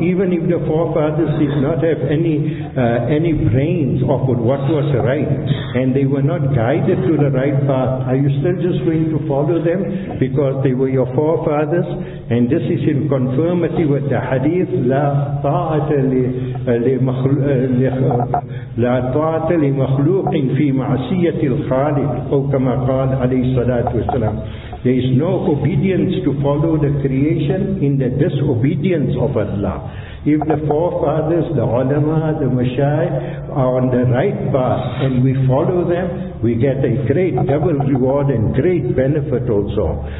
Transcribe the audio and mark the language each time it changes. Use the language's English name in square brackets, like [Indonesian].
[English] Even if the forefathers did not have any brains of what was right, and they were not guided to the right path, are you still just going to follow them because they were your forefathers? And this is in confirmity with the hadith, [Arabic] لا طاعة لمخلوق في معصية الخالق أو كما قال عليه الصلاة والسلام. [English] There is no obedience to follow the creation in the disobedience of Allah. If the forefathers, the ulama, the mashayikh are on the right path and we follow them, we get a great double reward and great benefit also.